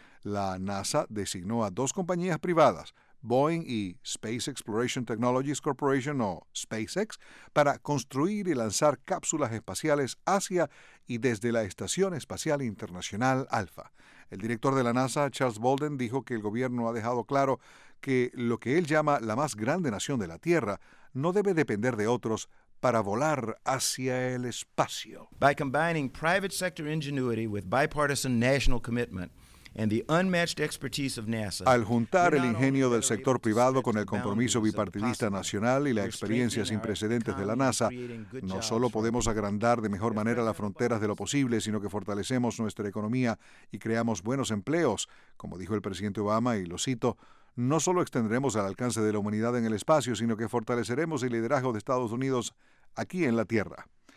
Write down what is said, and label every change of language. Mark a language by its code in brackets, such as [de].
[es] La NASA designó a 2 compañías privadas, Boeing y Space Exploration Technologies Corporation, o SpaceX, para construir y lanzar cápsulas espaciales hacia y desde la Estación Espacial Internacional Alpha. El director de la NASA, Charles Bolden, dijo que el gobierno ha dejado claro que lo que él llama la más grande nación de la Tierra no debe depender de otros para volar hacia el espacio. [en] By combining private sector ingenuity with bipartisan national commitment, and the unmatched expertise of NASA. [es] Al juntar el ingenio del sector privado con el compromiso bipartidista nacional y la experiencia sin precedentes de la NASA, no solo podemos agrandar de mejor manera las fronteras de lo posible, sino que fortalecemos nuestra economía y creamos buenos empleos. Como dijo el presidente Obama, y lo cito, no solo extenderemos el alcance de la humanidad en el espacio, sino que fortaleceremos el liderazgo de Estados Unidos aquí en la Tierra.